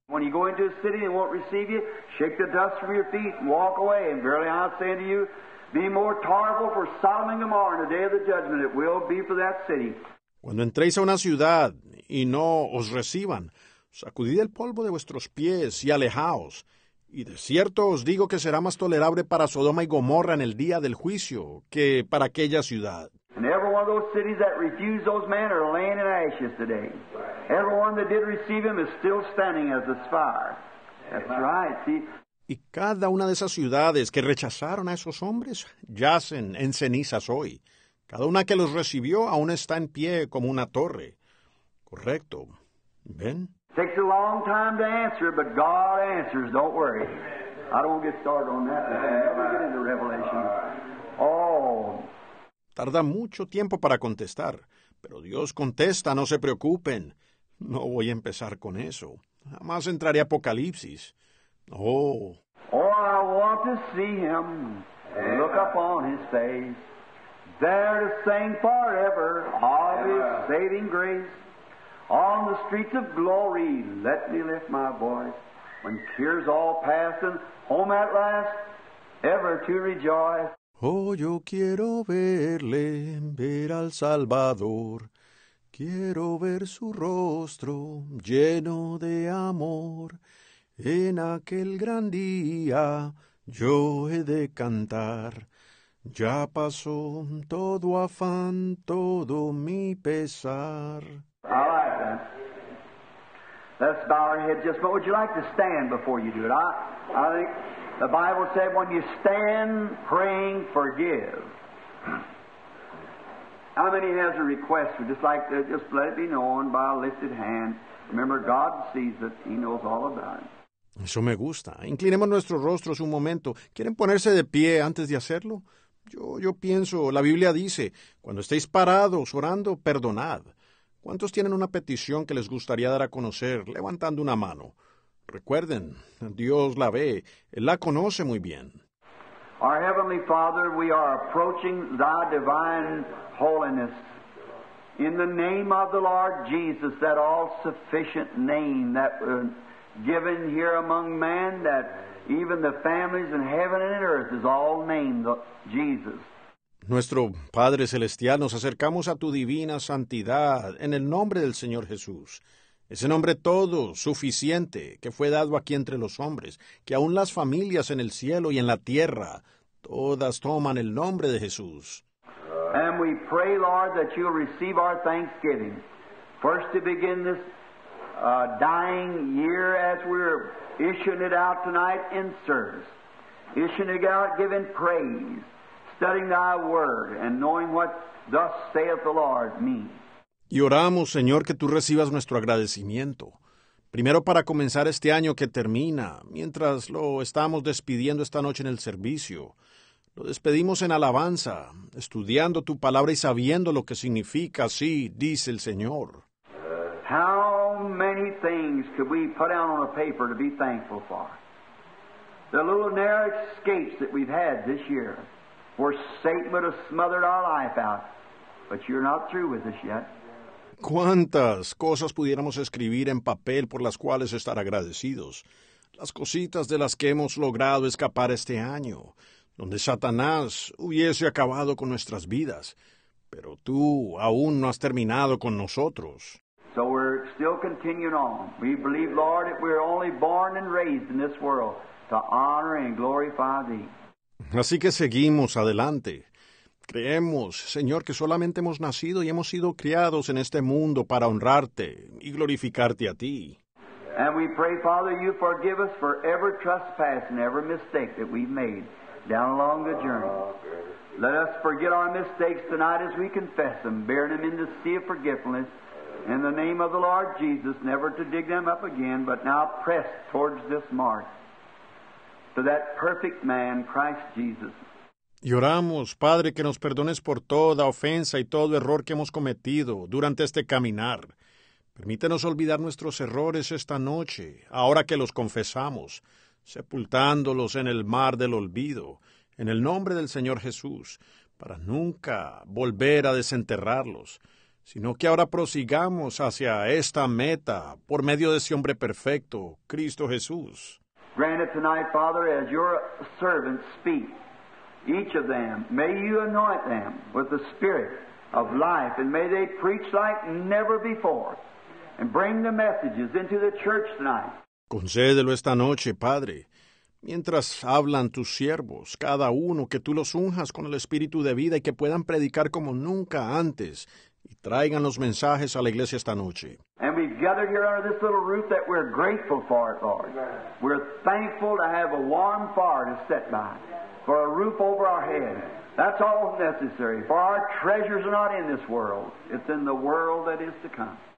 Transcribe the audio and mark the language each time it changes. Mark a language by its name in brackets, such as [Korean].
[English] When you go into a city and won't receive you, shake the dust from your feet and walk away. And verily I say unto you, be more tolerable for Sodom and Gomorrah in the day of the judgment it will be for that city. [Spanish] Cuando entréis a una ciudad y no os reciban, sacudid el polvo de vuestros pies y alejaos. Y de cierto os digo que será más tolerable para Sodoma y Gomorra en el día del juicio que para aquella ciudad. [English] And every one of those cities that refused those men are laying in ashes today. Every one that did receive him is still standing as a fire. That's right, see? [Spanish] Y cada una de esas ciudades que rechazaron a esos hombres yacen en cenizas hoy. Cada una que los recibió aún está en pie como una torre. Correcto. ¿Ven? [English] Takes a long time to answer, but God answers, don't worry. I don't get started on that. Never get into Revelation. Oh. [Spanish] Tarda mucho tiempo para contestar, pero Dios contesta, no se preocupen. No voy a empezar con eso. Jamás entraré a Apocalipsis. Oh. [English] Oh, I want to see him. Amen. Look upon his face. There to sing forever of Amen. His saving grace. On the streets of glory, let me lift my voice. When tears all pass and home at last, ever to rejoice. [Spanish] Oh, yo quiero verle, ver al Salvador. Quiero ver su rostro lleno de amor. En aquel gran día yo he de cantar. Ya pasó todo afán, todo mi pesar. [English] I like that. Let's bow our head just, but would you like to stand before you do it? I think the Bible said when you stand praying, forgive. How many has a request? We'd just like to just let it be known by a lifted hand. Remember, God sees it. He knows all about it. [Spanish] Eso me gusta. Inclinemos nuestros rostros un momento. ¿Quieren ponerse de pie antes de hacerlo? Yo pienso, la Biblia dice, cuando estéis parados orando, perdonad. ¿Cuántos tienen una petición que les gustaría dar a conocer levantando una mano? Recuerden, Dios la ve, Él la conoce muy bien. [English] Our Heavenly Father, we are approaching Thy divine holiness. In the name of the Lord Jesus, that all-sufficient name that was given here among man, that even the families in heaven and in earth is all named Jesus. [Spanish] Nuestro Padre Celestial, nos acercamos a tu divina santidad en el nombre del Señor Jesús. Ese nombre todo suficiente que fue dado aquí entre los hombres, que aún las familias en el cielo y en la tierra, todas toman el nombre de Jesús. [English] And we pray, Lord, that you'll receive our thanksgiving. First to begin this dying year as we're issuing it out tonight in service. Issuing it out, giving praise, studying thy word, and knowing what thus saith the Lord means. [Spanish] Y oramos, Señor, que tú recibas nuestro agradecimiento. Primero para comenzar este año que termina, mientras lo estamos despidiendo esta noche en el servicio. Lo despedimos en alabanza, estudiando tu palabra y sabiendo lo que significa, sí, dice el Señor. [English] How many things could we put out on a paper to be thankful for? The little narrow escapes that we've had this year, where Satan would have smothered our life out, but you're not through with us yet. [Spanish] ¿Cuántas cosas pudiéramos escribir en papel por las cuales estar agradecidos? Las cositas de las que hemos logrado escapar este año, donde Satanás hubiese acabado con nuestras vidas, pero tú aún no has terminado con nosotros. [English] So we're still continuing on. We believe, Lord, that we're only born and raised in this world to honor and glorify thee. [Spanish] Así que seguimos adelante. Creemos, Señor, que solamente hemos nacido y hemos sido criados en este mundo para honrarte y glorificarte a ti. [English] And we pray, Father, you forgive us for every trespass and every mistake that we've made down along the journey. Let us forget our mistakes tonight as we confess them, bearing them in the sea of forgiveness, in the name of the Lord Jesus, never to dig them up again, but now press towards this mark, to that perfect man, Christ Jesus. [Spanish] Y oramos, Padre, que nos perdones por toda ofensa y todo error que hemos cometido durante este caminar. Permítenos olvidar nuestros errores esta noche, ahora que los confesamos, sepultándolos en el mar del olvido, en el nombre del Señor Jesús, para nunca volver a desenterrarlos, sino que ahora prosigamos hacia esta meta por medio de ese hombre perfecto, Cristo Jesús. [English] Grant it tonight, Father, as your servants speak. Each of them, may you anoint them with the spirit of life, and may they preach like never before, and bring the messages into the church tonight. [Spanish] Concédelo esta noche, Padre, mientras hablan tus siervos, cada uno, que tú los unjas con el espíritu de vida y que puedan predicar como nunca antes, y traigan los mensajes a la iglesia esta noche. [English] And we've gathered here under this little roof that we're grateful for, Lord. Amen. We're thankful to have a warm fire to set by. For a roof over our head. That's all necessary. For our treasures are not in this world. It's in the world that is to come.